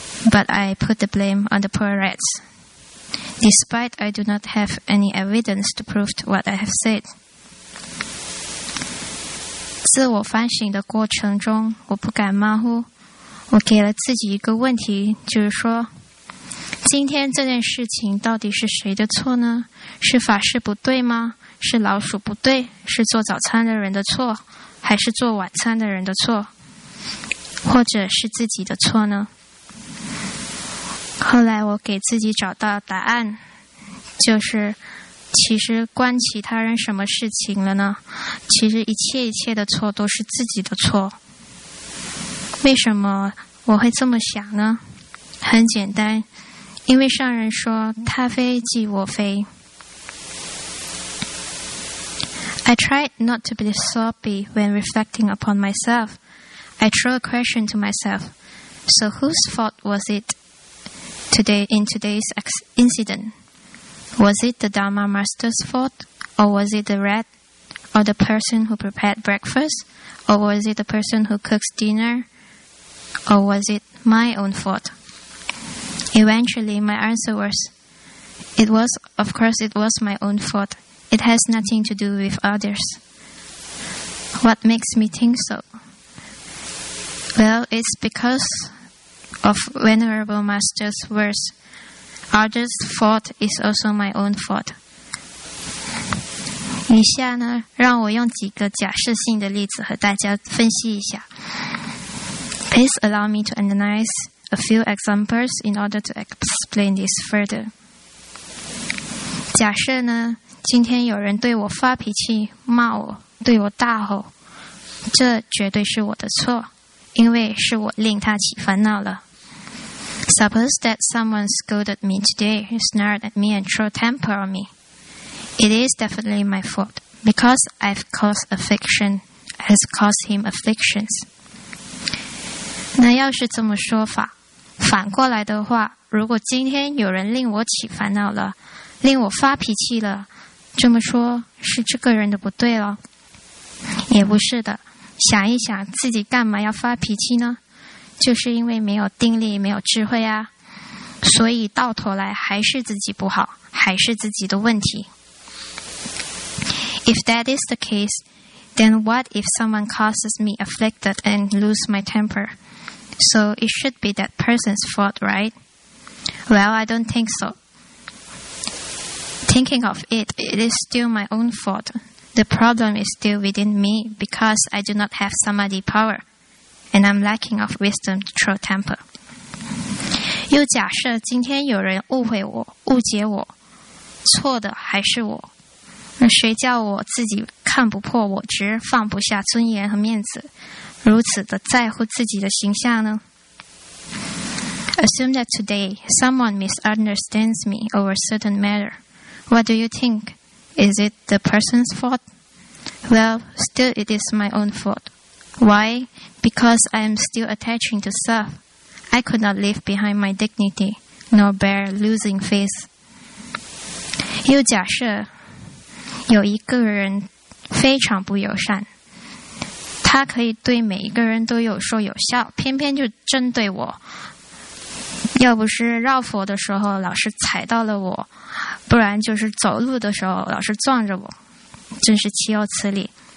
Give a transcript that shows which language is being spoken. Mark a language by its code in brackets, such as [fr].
[en] But I put the blame on the poor rats, despite I do not have any evidence to prove what I have said. [zh] 自我反省的过程中，我不敢马虎，我给了自己一个问题，就是说今天这件事情到底是谁的错呢？是法师不对吗？是老鼠不对？是做早餐的人的错？还是做晚餐的人的错？或者是自己的错呢？后来我给自己找到答案，就是其实关其他人什么事情了呢？其实一切一切的错都是自己的错。为什么我会这么想呢？很简单，因为上人说，他非即我非。 [en] I tried not to be sloppy when reflecting upon myself. I threw a question to myself. So whose fault was it today in today's incident? Was it the Dharma master's fault? Or was it the rat? Or the person who prepared breakfast? Or was it the person who cooks dinner? Or was it my own fault? Eventually, my answer was, of course it was my own fault. It has nothing to do with others. What makes me think so? Well, it's because of Venerable Master's words, others' fault is also my own fault. [zh] 以下呢，让我用几个假设性的例子和大家分析一下。 [en] Please allow me to analyze. A few examples in order to explain this further. [zh] 假设呢，今天有人对我发脾气，骂我，对我大吼，这绝对是我的错，因为是我令他起烦恼了。 [en] Suppose that someone scolded me today, snarled at me and threw a temper on me. It is definitely my fault, because I've caused him afflictions. [zh] 那要是这么说法，反过来的话，如果今天有人令我起烦恼了，令我发脾气了，这么说是这个人的不对了，也不是的，想一想自己干嘛要发脾气呢，就是因为没有定力，没有智慧啊，所以到头来还是自己不好，还是自己的问题。 [en] If that is the case, then what if someone causes me afflicted and lose my temper? So it should be that person's fault, right? Well, I don't think so. Thinking of it, it is still my own fault. The problem is still within me because I do not have samadhi power, and I'm lacking of wisdom to throw temper. [zh] 又假设今天有人误会我，误解我，错的还是我，那谁叫我自己看不破我执，放不下尊严和面子，如此的在乎自己的形象呢？ [en] Assume that today someone misunderstands me over a certain matter. What do you think? Is it the person's fault? Well, still it is my own fault. Why? Because I am still attaching to self. I could not leave behind my dignity, nor bear losing face. [zh] 又假设有一个人非常不友善，他可以对每一个人都有说有笑，偏偏就针对我。要不是绕佛的时候老是踩到了我，不然就是走路的时候老是撞着我，真是岂有此理。